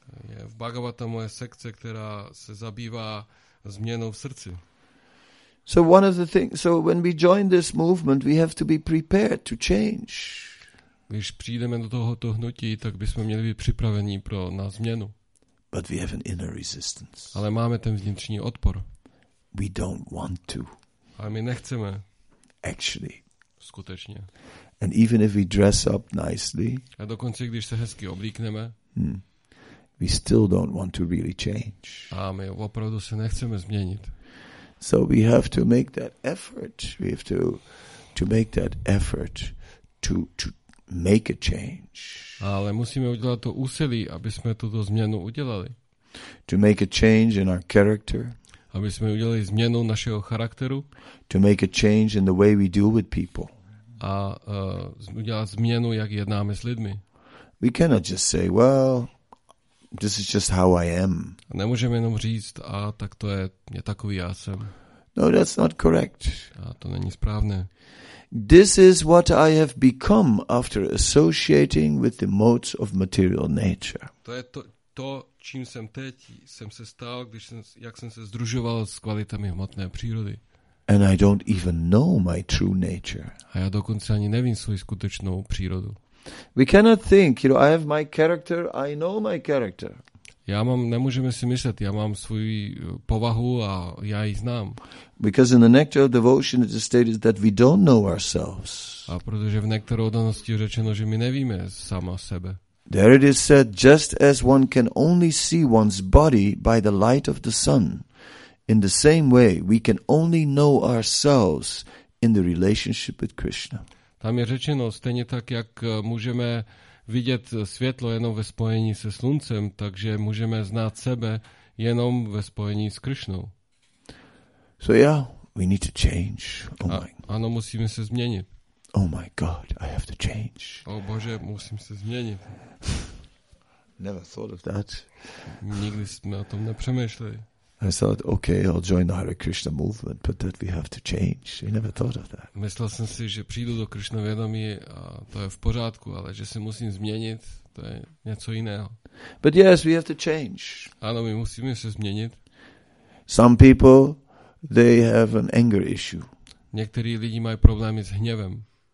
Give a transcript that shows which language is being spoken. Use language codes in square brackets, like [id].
[cs] Je v Bhagavatamu je sekce, která se zabývá změnou v srdci. [en] So one of the things, so when we join this movement, we have to be prepared to change. [cs] Když přijdeme do tohoto hnutí, tak bychom měli být připraveni pro na změnu. [en] But we have an inner resistance. [cs] Ale máme ten vnitřní odpor. [en] We don't want to. [cs] Ale my nechceme. [en] Actually. [cs] Skutečně. [en] And even if we dress up nicely. [cs] A dokonce, když se hezky oblíkneme. [en] We still don't want to really change. [cs] A my opravdu se nechceme změnit. [en] So we have to make that effort. We have to make that effort to make a change. [cs] Ale musíme udělat to úsilí, aby jsme tuto změnu udělali. [en] To make a change in our character. [cs] Aby jsme udělali změnu našeho charakteru. [en] To make a change in the way we deal with people. [cs] A udělat změnu, jak jednáme s lidmi. [en] We cannot just say, well, this is just how I am. [cs] Nemůžeme jenom říct, a tak to je takový já jsem. [en] No, that's not correct. [cs] A to není správné. [en] This is what I have become after associating with the modes of material nature. [cs] To je to čím jsem teď, jsem se stal, když jsem, jak jsem se združoval s kvalitami hmotné přírody. [en] And I don't even know my true nature. [cs] A já dokonce ani nevím svou skutečnou přírodu. [en] We cannot think, you know, I have my character, I know my character. [cs] Nemůžeme si myslet, já mám svou povahu a já ji znám. [en] Because in the nectar of devotion it is stated that we don't know ourselves. [cs] A protože v nektaru oddanosti je řečeno, že my nevíme sama sebe. [en] There it is said, just as one can only see one's body by the light of the sun, in the same way we can only know ourselves in the relationship with Krishna. [cs] Tam je řečeno, stejně tak, jak můžeme vidět světlo jenom ve spojení se sluncem, takže můžeme znát sebe jenom ve spojení s Krišnou. [en] So yeah, we need to change. Oh my. [cs] Ano, musíme se změnit. [en] Oh my God, I have to change. [cs] Oh Bože, musím se změnit. [en] Never thought of that. [cs] Nikdy jsme o tom nepřemýšleli. [en] I thought, okay, I'll join the Hare Krishna movement, but that we have to change. I never thought of that. [cs] Myslel jsem si, že přijdu do Krishna vědomí a to je v pořádku, ale že se musím změnit, to je něco jiného. [en] But yes, we have to change. [cs] Ano, my musíme se změnit. [en] Some people, they have an anger issue. [cs] Někteří lidi mají problémy s hněvem.